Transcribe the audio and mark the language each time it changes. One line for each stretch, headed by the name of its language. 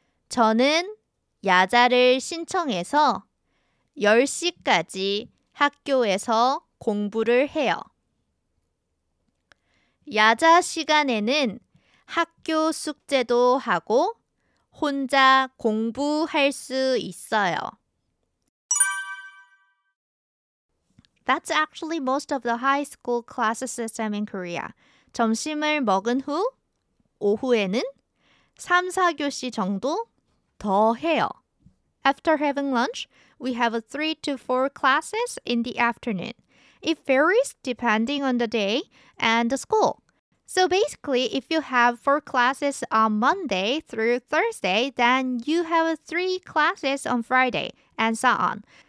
Korean: 저는 야자를 신청해서 10시까지 학교에서 공부를 해요. 야자 시간에는 학교 숙제도 하고 혼자 공부할 수 있어요.
English: That's actually most of the high school class system in Korea.
Korean: 점심을 먹은 후 오후에는 3-4교시 정도 더 해요.
English: After having lunch, we have 3-4 classes in the afternoon. It varies depending on the day and the school. So basically, if you have 4 classes on Monday through Thursday, then you have 3 classes on Friday, and so on.